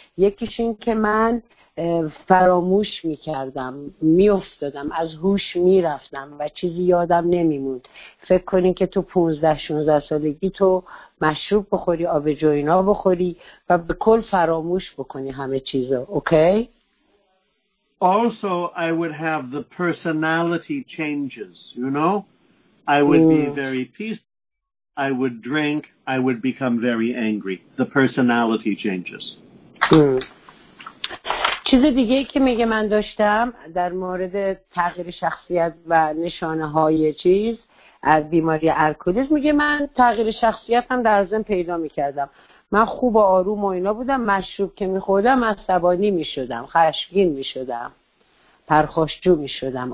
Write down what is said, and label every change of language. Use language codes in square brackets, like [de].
[fa] یکیش این که من فراموش میکردم. میافتادم. از هوش میرفتم و چیزی یادم نمیموند. فکر کنین که تو 15-16 سالگی تو مشروب بخوری، آب جوینا بخوری و به کل فراموش بکنی همه چیزو. [en] Okay. Also, I would have the personality changes, you know? I would be very peaceful, I would drink, I would become very angry. The personality changes. [fa] چیز دیگه که میگه من داشتم در مورد تغییر شخصیت و نشانه های چیز از بیماری الکلیسم، میگه من تغییر شخصیتم در زمان پیدا میکردم. من خوب و آروم و اینا بودم، مشروب که میخوردم عصبانی میشدم، خشمگین میشدم، پرخاشجو میشدم.